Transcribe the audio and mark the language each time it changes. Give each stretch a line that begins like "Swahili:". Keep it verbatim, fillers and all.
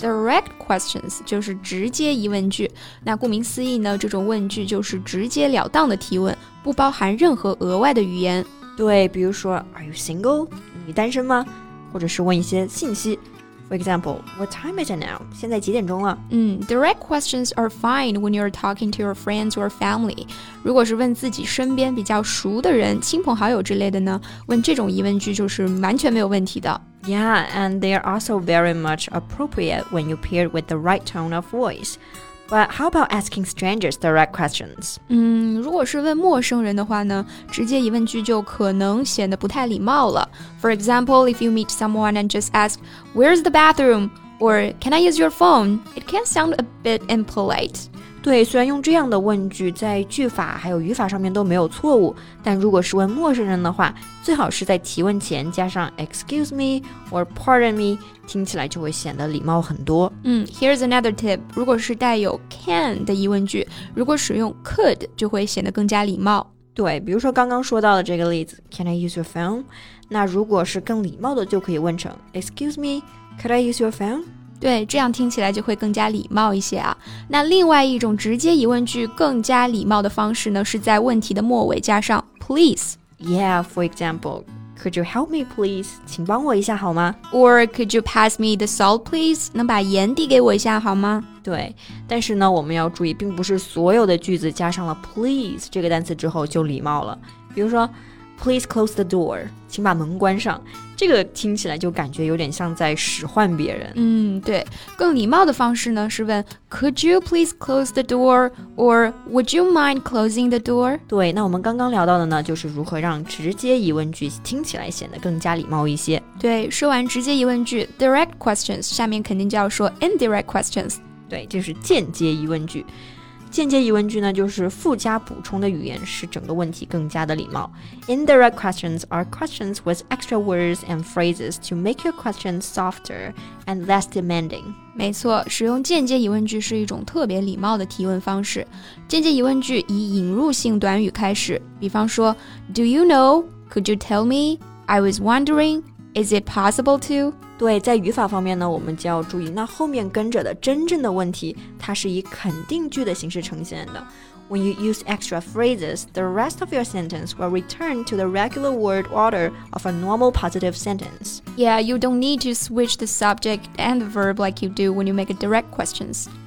English: Direct questions
Chinese: 就是直接疑问句。那顾名思义呢，这种问句就是直截了当的提问，不包含任何额外的语言。对，比如说
English: Are you single?
Chinese: 你单身吗？或者是问一些信息。
English: For example, what time is it now?
Chinese: 现在几点钟了？
English: 嗯 direct questions are fine when you're talking to your friends or family.
Chinese: 如果是问自己身边比较熟的人，亲朋好友之类的呢，问这种疑问句就是完全没有问题的。
English: Yeah, and they are also very much appropriate when you paired with the right tone of voice. But how about asking strangers direct questions?
Chinese: 嗯，如果是问陌生人的话呢，直接一问句就可能显得不太礼貌了。
English: For example, if you meet someone and just ask, "Where's the bathroom?" or "Can I use your phone?" It can sound a bit impolite.
Chinese: 对，虽然用这样的问句在句法还有语法上面都没有错误，但如果是问陌生人的话，最好是在提问前加上
English: excuse me or pardon me，
Chinese: 听起来就会显得礼貌很多。嗯 ，
English: Here's another tip，
Chinese: 如果是带有 can 的疑问句，如果使用 could 就会显得更加礼貌。对，比如说刚刚说到的这个例子 ，
English: Can I use your phone？
Chinese: 那如果是更礼貌的，就可以问成
English: excuse me，Could I use your phone？
Chinese: 对，这样听起来就会更加礼貌一些啊。那另外一种直接疑问句更加礼貌的方式呢，是在问题的末尾加上 please。
English: Yeah, for example, could you help me please?
Chinese: 请帮我一下好吗？
English: Or could you pass me the salt please?
Chinese: 能把盐递给我一下好吗？对，但是呢，我们要注意，并不是所有的句子加上了 please 这个单词之后就礼貌了。比如说
English: Please close the door.
Chinese: 请把门关上。这个听起来就感觉有点像在使唤别人。嗯，对。更礼貌的方式呢，是问
English: Could you please close the door? Or Would you mind closing the door?
Chinese: 对，那我们刚刚聊到的呢，就是如何让直接疑问句听起来显得更加礼貌一些。对，说完直接疑问句
English: direct questions，
Chinese: 下面肯定就要说
English: indirect questions。
Chinese: 对，这是间接疑问句。间接疑问句呢，就是附加补充的语言，使整个问题更加的礼貌。
English: Indirect questions are questions with extra words and phrases to make your question softer and less demanding.
Chinese: 没错，使用间接疑问句是一种特别礼貌的提问方式。间接疑问句以引入性短语开始，比方说
English: Do you know? Could you tell me? I was wondering. Is it possible to?
Chinese: 对，在语法方面呢，我们就要注意，那后面跟着的真正的问题，它是以肯定句的形式呈现的。
English: When you use extra phrases, the rest of your sentence will return to the regular word order of a normal positive sentence. Yeah, you don't need to switch the subject and the verb like you do when you make a direct questions.